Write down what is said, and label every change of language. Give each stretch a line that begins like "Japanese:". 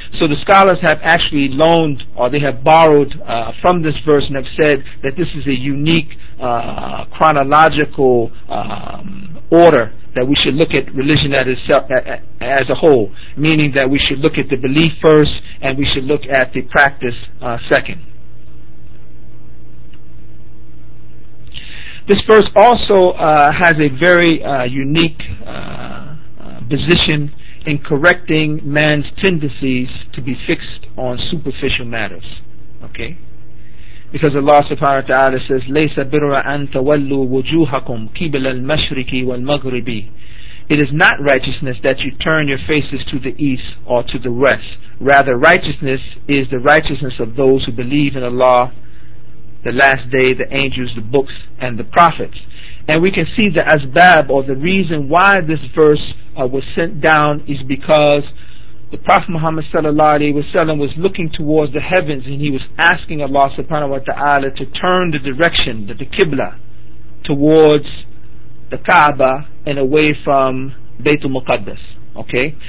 English: So the scholars have actually loaned, or they have borrowed from this verse, and have said that this is a unique chronological order that we should look at religion at itself, as a whole, meaning that we should look at the belief first and we should look at the practice second. This verse also has a very unique position in correcting man's tendencies to be fixed on superficial matters. Okay? Because Allah subhanahu wa ta'ala says,
Arabic: لَيْسَ بِرَّ أَن تَوَلُّوا وُجُوهَكُمْ قِبِلَ الْمَشْرِكِ وَالْمَغْرِبِ.
English: It is not righteousness that you turn your faces to the east or to the west. Rather, righteousness is the righteousness of those who believe in Allah, the last day, the angels, the books, and the prophets. And we can see the asbab, or the reason why this verse was sent down, is because the Prophet Muhammad sallallahu alaihi wasallam was looking towards the heavens, and he was asking Allah subhanahu wa ta'ala to turn the direction, the Qibla, towards the Kaaba and away from Baytul Muqaddas. Okay?